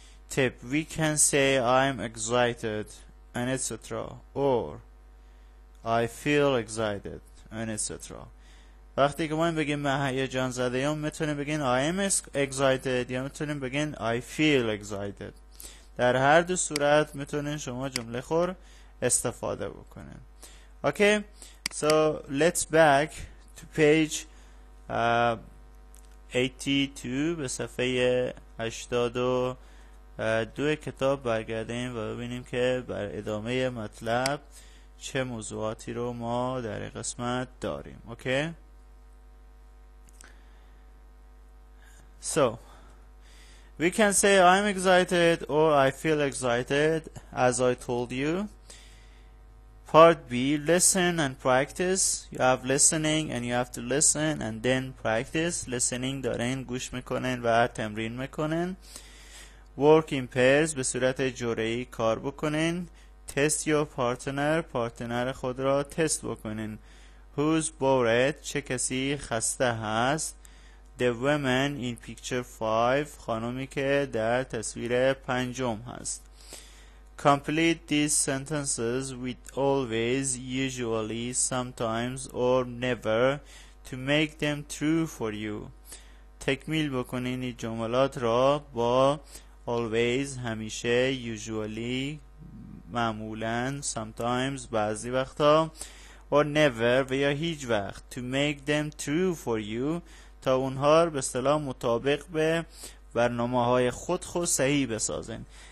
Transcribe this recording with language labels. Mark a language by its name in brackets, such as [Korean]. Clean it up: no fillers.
[English] Tip، we can say I'm excited and etc. Or I feel excited and etc. [Persian] وقتی که ما این بگیم من هیجان زده، یا میتونیم بگیم [English] I am excited، [Persian] یا میتونیم بگیم [English] I feel excited. [Persian] در هر دو صورت میتونین شما جمله خور استفاده بکنین. [English] Okay, so let's back to page 82، [Persian] به صفحه 82 کتاب برگردیم و ببینیم که بر ادامه مطلب چه موضوعاتی رو ما در قسمت داریم. [English] Okay, so we can say I'm excited or I feel excited as I told you. Part B, listen and practice. You have listening and you have to listen and then practice. [Persian] Listening دارین گوش میکنن و تمرین میکنن. [English] Work in pairs، [Persian] به صورت جوری کار بکنن. [English] Test your partner، [Persian] پارتنر خود را تست بکنن. [English] Who's bored، [Persian] چه کسی خسته هست. [English] The woman in picture 5 [Persian] خانومی که در تصویر پنجم هست. [English] Complete these sentences with always, usually, sometimes or never to make them true for you. [Persian] تکمیل بکنین این جملات را با always, همیشه, usually, معمولاً, sometimes, بعضی وقتا or never و یا هیچ وقت [English] to make them true for you [Persian] تا اونها به اصطلاح مطابق به برنامه های خود خو صحیح بسازن.